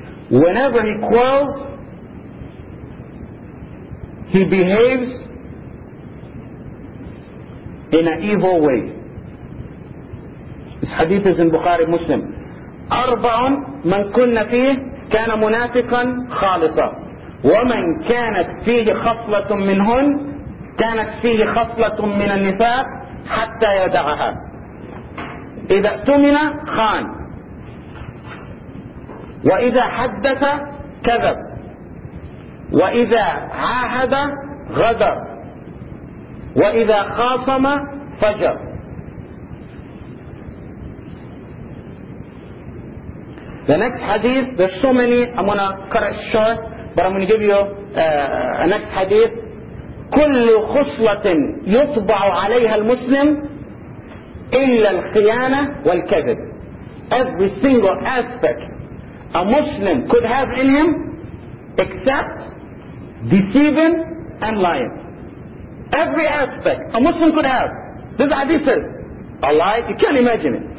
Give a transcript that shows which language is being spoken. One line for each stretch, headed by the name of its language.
English: Whenever he quarrels, he behaves in an evil way. This hadith is in Bukhari Muslim.
Arabic: أَرْبَعٌ مَنْ كُنَّ فِيهِ كان منافقا خالصا ومن كانت فيه خصلة منهن كانت فيه خصلة من النفاق حتى يدعها إذا اؤتمن خان وإذا حدث كذب وإذا عاهد غدر وإذا خاصم فجر.
English: The next hadith, there's so many, I'm going to cut it short, but I'm going to give you a next hadith.
Arabic: كل خصلة يطبع عليها المسلم إلا الخيانة والكذب.
English: Every single aspect a Muslim could have in him, except deceiving and lying. Every aspect a Muslim could have. This hadith says, a lie, you can't imagine it.